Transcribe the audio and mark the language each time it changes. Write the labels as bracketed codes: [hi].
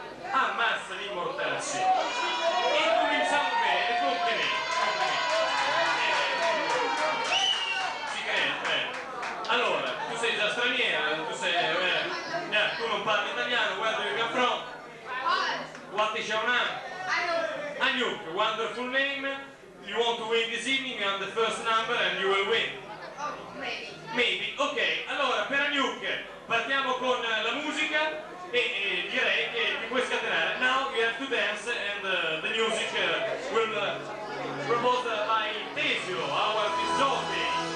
[it] Ammazza di mortacci. E cominciamo bene, complimenti. Ci credo, Allora, tu sei già straniera, tu sei, tu non parli italiano, guarda dove abbiamo from. [en] What is your name? Anouk. Anouk, wonderful name. You want to win this evening on the first number and you will win. Maybe. [it] Ok, allora per Anouk partiamo con la musica e direi che ti puoi scatenare. [en] Now you have to dance and the music will be proposed by Tesio, our disjockey.